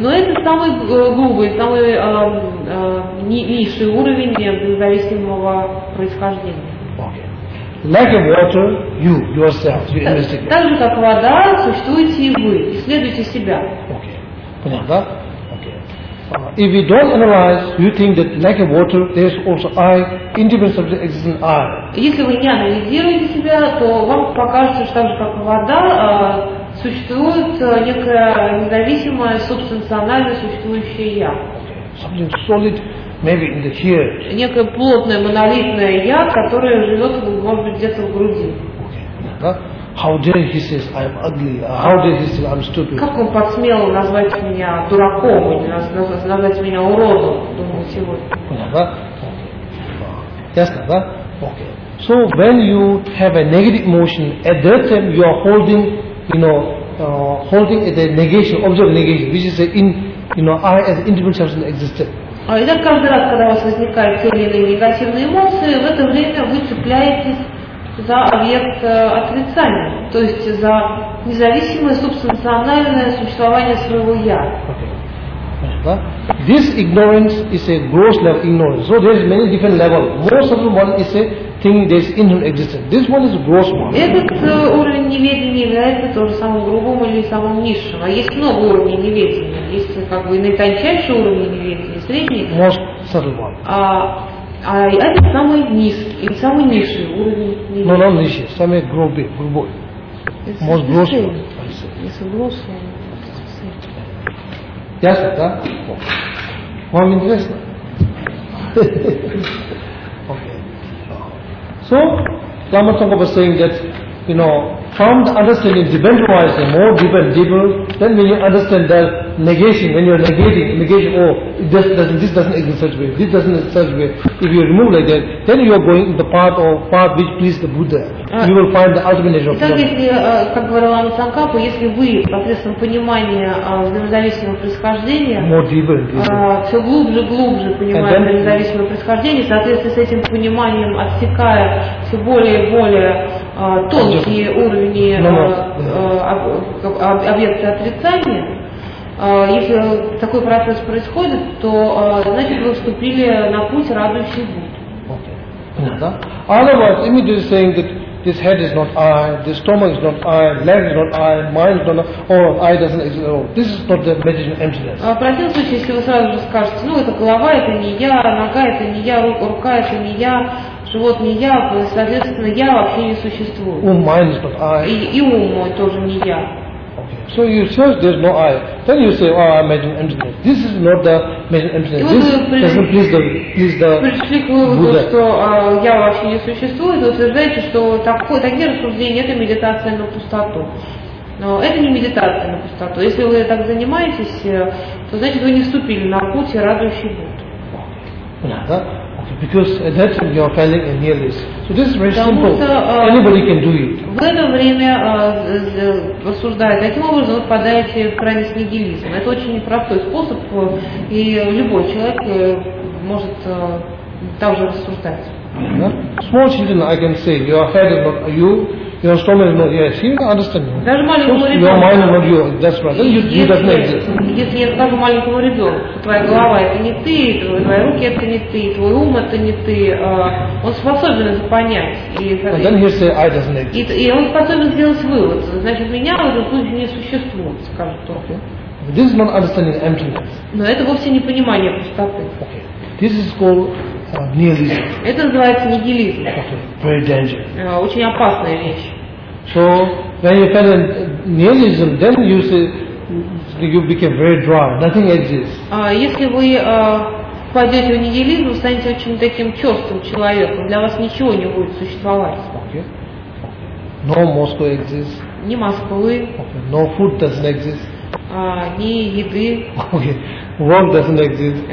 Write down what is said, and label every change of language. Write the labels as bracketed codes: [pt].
[ru] Но это самый грубый, самый низший уровень независимого происхождения. [en] Okay. Like a water, you yourself, you investigate. [ru] Так же как вода, существуете и вы, исследуйте себя. Okay. Понятно? Да? Okay. [en] If we don't analyze, you think that like a water, there's also I, independent subject existing I. [ru] Если вы не анализируете себя, то вам покажется, что так же как вода. Существует некое независимое субстанционально существующее я. [en] Something solid, maybe in the here. [ru] Некое плотное монолитное я, которое живет, может быть, где-то в груди. [en] How dare he says I'm ugly? How dare he say I'm stupid? [ru] Как он посмел назвать меня дураком, назвать меня уродом, думаю сегодня. Ясно, да? Okay. [en] So when you have a negative emotion, at that time you are holding. Holding the negation, object negation, which is I as independent substance existed. [ru] Итак, каждый раз, когда у вас возникают те или иные негативные эмоции, в это время вы цепляетесь за объект отрицания, то есть за независимое субстанциональное существование своего я. [en] Okay. This ignorance is a gross level ignorance. So there is many different levels. Most of the one is a thing that is in him existent. This one is gross one. [ru] Этот уровень неведения является тоже самым грубым или самым низшим. А есть много уровней неведения. Есть как бы наитончайший уровень неведения, средний. [en] Most subtle one. [ru] А это самый низкий или самый низший уровень неведения. [en] No, not низший. [ru] Самый грубый, грубой. [en] Most gross one. [ru] Если [en] gross one. [ru] Ясно, да? Вам интересно? [en] So, Lama Tsongkhapa was saying that, you know, from the understanding, deeper, more deeper and deeper, then when you understand that negation, when you're negating, oh, this doesn't exist in such a way, this doesn't exist in such a way, if you remove like that, then you are going in the path which pleased the Buddha. You will find the ultimate nature of Buddha. [ru] Итак, если, как говорил Лама Цанкапа, если вы, посредством понимания взаимозависимого происхождения, [en] more deeper and deeper. [ru] Все глубже понимая взаимозависимое происхождение, соответственно, с этим пониманием отсекая все более и более тонкие уровни объекта отрицания, если такой процесс происходит, то значит вы вступили на путь радующий Будды. Okay. Понятно? [en] Immediately saying that this head is not I, this stomach is not I, leg is not I, mind is not I, or I doesn't exist at all. This is not the meditation emptiness. [ru] В противном случае, если вы сразу же скажете, ну это голова, это не я, нога, это не я, рука, это не я, живот не я, соответственно, я вообще не существую. [en] Ум, mind is not I. [ru] И ум мой тоже не я. [en] So you search, there's no I. Then you say, oh, I'm imagining emptiness. This is not the imagining emptiness. This doesn't please the Buddha. [ru] Что я вообще не существую, вы утверждаете, что такие рассуждения — это медитация на пустоту. Но это не медитация на пустоту. Если вы так занимаетесь, то значит вы не вступили на путь радующий Будду. Да? [en] Because at that time you are failing in nihilism. So this is very simple. Anybody can do it. [ru] В это время рассуждая таким образом, вы впадаете в крайность нигилизма. Это очень непростой способ, и любой человек может так же рассуждать. [en] Small children, I can say, your head is not you, your stomach is not yes. You can understand me. [ru] Даже маленькому ребенку. [en] Your mind is not you. That's right. Then you don't exist. [ru] Если я скажу маленькому ребенку, твоя голова это не ты, твои руки это не ты, твой ум это не ты, он способен это понять. [en] Then he says, I doesn't exist. [ru] И он способен сделать вывод. Значит, меня в этом случае не существует, скажет он. [en] Okay. This is not understanding emptiness. [ru] Но это вовсе не понимание пустоты. [en] Okay. This is called nihilism. [ru] Это называется нигилизм. [en] Very dangerous. [ru] Очень опасная вещь. [en] So when you fell in nihilism, then you say you became very dry. Nothing exists. [ru] Если вы впадете в нигилизм, вы станете очень таким черствым человеком. Для вас ничего не будет существовать. [en] Okay. No Moscow exists. [ru] Ни Москвы. [en] Okay. No food doesn't exist. [ru] Ни еды. [en] Okay. Work doesn't exist.